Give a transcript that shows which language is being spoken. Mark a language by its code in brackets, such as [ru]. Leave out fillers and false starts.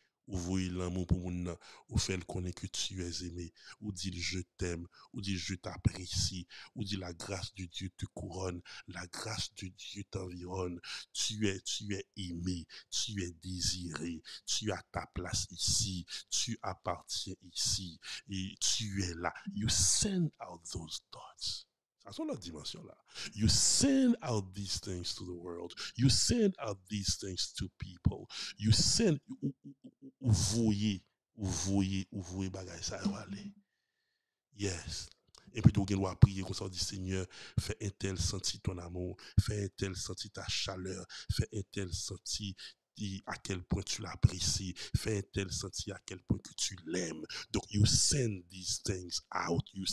[fr] vous voyez l'amour pour mon nom, ou fait le connaître que tu es aimé, ou dit je t'aime, ou dit je t'apprécie, ou dit la grâce de Dieu te couronne, la grâce de Dieu t'environne, tu es aimé, tu es désiré, tu as ta place ici, tu appartiens ici, et tu es là. [en] You send out those thoughts. [fr] À son autre dimension là. [en] You send out these things to the world. You send out these things to people. You send. [fr] Vous voyez, bagay ça va aller. Yes. Et puis, vous devez prier comme ça, dit Seigneur, fais un tel sentir ton amour, fais un tel sentir ta chaleur, fais un tel sentir à quel point tu l'apprécies, fais un tel sentir à quel point que tu l'aimes. [en] Donc, you send these things out.